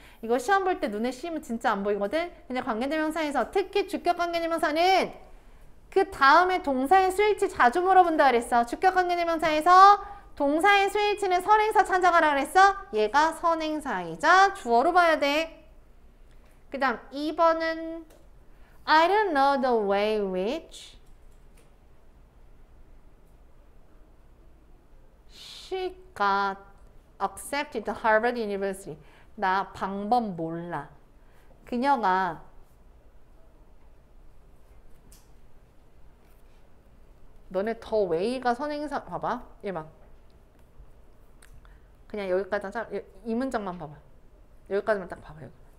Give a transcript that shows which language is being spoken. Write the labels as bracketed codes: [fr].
[ko] 이거 시험 볼때 눈에 씌면 진짜 안 보이거든. 근데 관계대명사에서 특히 주격관계대명사는 그 다음에 동사의 스위치 자주 물어본다 그랬어. 주격관계대명사에서 동사의 스위치는 선행사 찾아가라 그랬어. 얘가 선행사이자 주어로 봐야 돼. 그 다음 2번은 [en] I don't know the way which She got accepted to Harvard University. [ko] 나 방법 몰라. 그녀가 너네 더 웨이가 선행사 봐봐. 얘 봐. 그냥 여기까지 딱이 문장만 봐봐. 여기까지만 딱 봐봐. 여기.